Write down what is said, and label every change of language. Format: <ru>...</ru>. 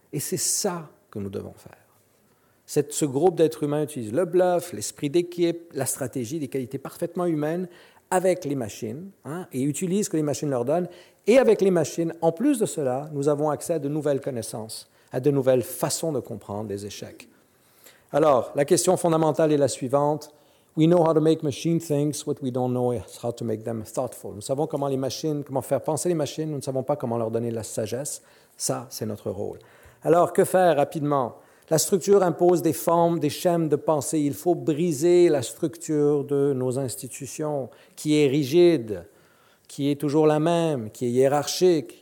<fr>Et c'est ça que nous devons faire. Ce groupe d'êtres humains utilise le bluff, l'esprit d'équipe, la stratégie, des qualités parfaitement humaines avec les machines, hein, et utilise ce que les machines leur donnent. Et avec les machines, en plus de cela, nous avons accès à de nouvelles connaissances, à de nouvelles façons de comprendre les échecs. Alors, la question fondamentale est la suivante.</fr> <en>We know how to make machine things. What we don't know is how to make them thoughtful.</en> <fr>Nous savons comment faire penser les machines. Nous ne savons pas comment leur donner la sagesse. Ça, c'est notre rôle. Alors, que faire rapidement? La structure impose des formes, des schèmes de pensée. Il faut briser la structure de nos institutions qui est rigide, qui est toujours la même, qui est hiérarchique.</fr>